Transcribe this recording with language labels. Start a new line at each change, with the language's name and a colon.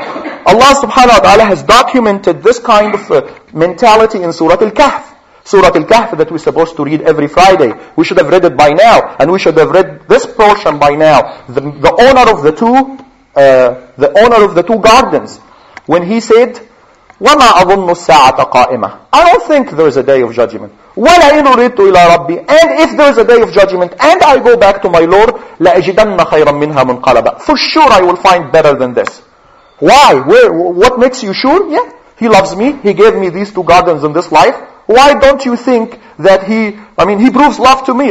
English: Allah subhanahu wa ta'ala has documented this kind of mentality in Surah Al-Kahf. Surah Al-Kahf that we're supposed to read every Friday. We should have read it by now. And we should have read this portion by now. The owner of the two gardens. When he said,
Arabic: وَمَا أَظُنُّ السَّاعَةَ قَائِمَةً.
English: I don't think there is a Day of Judgment.
Arabic: وَلَئِنُ رِدْتُ إِلَىٰ رَبِّي.
English: And if there is a Day of Judgment and I go back to my Lord,
Arabic: لَأَجِدَنَّ خَيْرًا مِنْهَا مُنْقَلَبًا.
English: For sure I will find better than this. Why? What makes you sure? Yeah, He loves me. He gave me these two gardens in this life. Why don't you think that He proves love to me.